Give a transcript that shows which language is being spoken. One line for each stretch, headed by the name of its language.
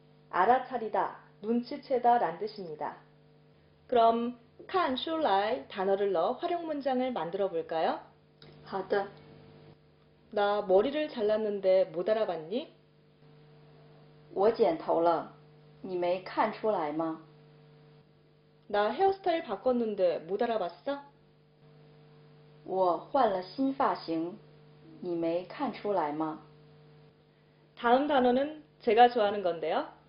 Korean: 알아차리다, 눈치채다 라는 뜻입니다. 그럼 看出来 단어를 넣어 활용 문장을 만들어 볼까요?
Chinese: 好的.
Korean: 나 머리를 잘랐는데 못 알아봤니?
Chinese: 我剪头了,你没看出来吗?
Korean: 나 헤어스타일 바꿨는데 못 알아봤어?
Chinese: 我换了新发型,你没看出来吗?
Korean: 다음 단어는 제가 좋아하는 건데요.